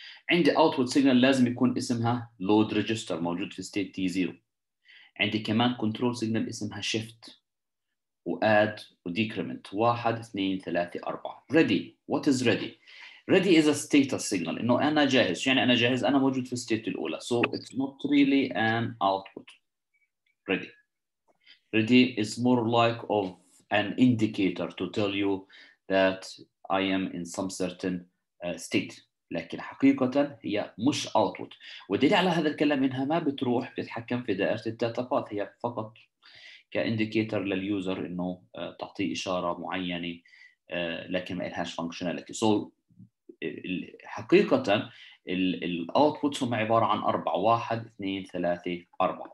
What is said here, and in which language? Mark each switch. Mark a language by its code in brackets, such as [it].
[ar] عندي اوتبوت سيجنال لازم يكون اسمها لود ريجستر موجود في ستيت تي 0، عندي كمان كنترول سيجنال اسمها شيفت واد وديكريمنت 1 2 3 4. [en] Ready, what is ready? Ready is a status signal. [ar] إنه أنا جاهز. يعني أنا جاهز. أنا موجود في state الأولى. [en] So it's not really an output. Ready. Ready is more like of an indicator to tell you that I am in some certain state. [ar] لكن حقيقة هي مش output. ودليل على هذا الكلام إنها ما بتروح بتتحكم في دائرة الداتا باث. هي فقط كindicator لليوزر إنه تعطي إشارة معينة. لكن ما إلهاش functionality. So حقيقة الـ outputs هم عبارة عن أربعة، واحد اثنين ثلاثة أربعة.